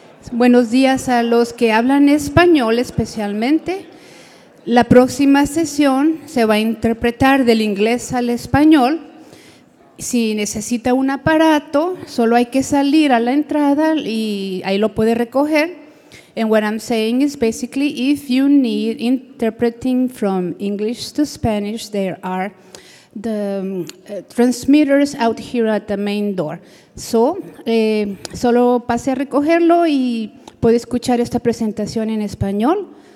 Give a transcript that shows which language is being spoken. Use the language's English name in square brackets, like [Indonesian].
[Spanish] Buenos días a los que hablan español especialmente. La próxima sesión se va a interpretar del inglés al español. Si necesita un aparato, solo hay que salir a la entrada y ahí lo puede recoger. [English] And what I'm saying is basically, if you need interpreting from English to Spanish, there are the transmitters out here at the main door. [Spanish] So, solo pase a recogerlo y puede escuchar esta presentación en español.